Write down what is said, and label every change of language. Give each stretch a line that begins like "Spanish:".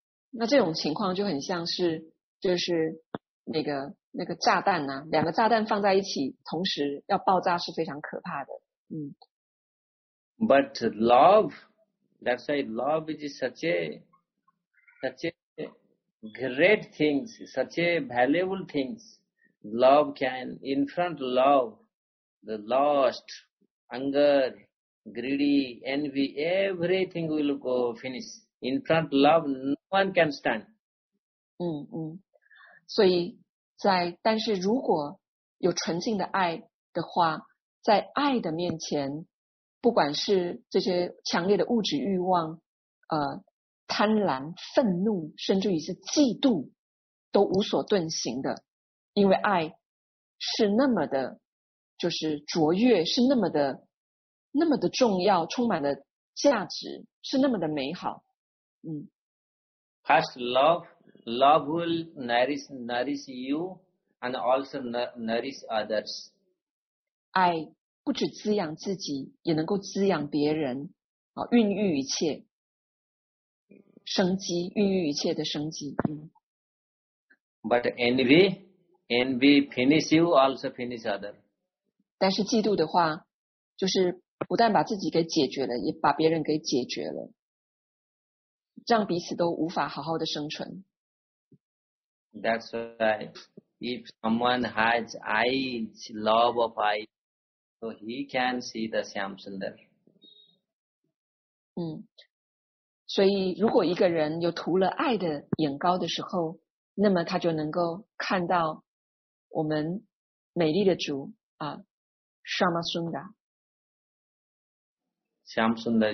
Chinese: 那这种情况就很像是就是那个炸弹啊，两个炸弹放在一起同时要爆炸是非常可怕的。
English: But love, that's why love is such a great things, such a valuable things. love can, in front of love, the lust, anger, greedy, envy, everything will go finish. In front of love, no one can stand.
Chinese: 所以在但是如果有纯净的爱的话，在爱的面前，不管是这些强烈的物质欲望、贪婪、愤怒，甚至于是嫉妒，都无所遁形的，因为爱是那么的，就是卓越，是那么的，那么的重要，充满了价值，是那么的美好。
English: First love will nourish you and also nourish others.
Chinese: 爱不只滋养自己，也能够滋养别人，啊，孕育一切生机，孕育一切的生机。
English: But envy finish you, also finish others.
Chinese: 但是嫉妒的话，就是不但把自己给解决了，也把别人给解决了，让彼此都无法好好的生存。
English: That's why if someone has eyes, love of eyes, so he can see the Shyamsundara.
Chinese: 所以如果一个人有涂了爱的眼膏的时候，那么他就能够看到我们美丽的主啊 ,Shyamsundara.